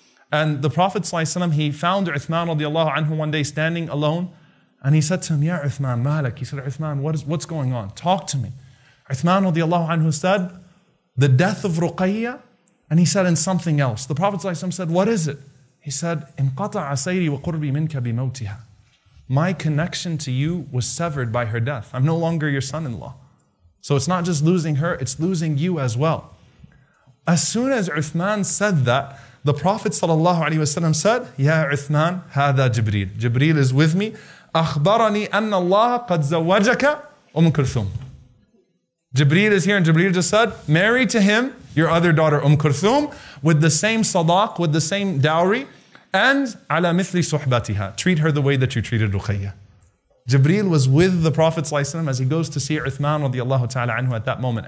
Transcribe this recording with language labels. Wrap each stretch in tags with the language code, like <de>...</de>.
<en>And the Prophet ﷺ, he found Uthman radiallahu anhu one day standing alone. And he said to him,</en> <ar>Ya Uthman, Malik.</ar> <en>He said, Uthman, what's going on? Talk to me. Uthman radiallahu anhu said, the death of Ruqayya. And he said, and something else. The Prophet ﷺ said, what is it? He said,</en> <ar>انقطع سيري وقربي منك بموتها.</ar> <en>My connection to you was severed by her death. I'm no longer your son-in-law. So it's not just losing her, it's losing you as well. As soon as Uthman said that, the Prophet ﷺ said, Ya Uthman, هذا Jibreel. Jibreel is with me.</en> <ar>أخبرني أن الله قد زوجك أم كلثوم.</ar> <en>Jibreel is here, and Jibreel just said, marry to him your other daughter أم كلثوم with the same sadaq, with the same dowry, and</en> <ar>على مثل صحبتها.</ar> <en>Treat her the way that you treated Ruqayya. Jibreel was with the Prophet ﷺ as he goes to see Uthman radiallahu ta'ala anhu at that moment.</en>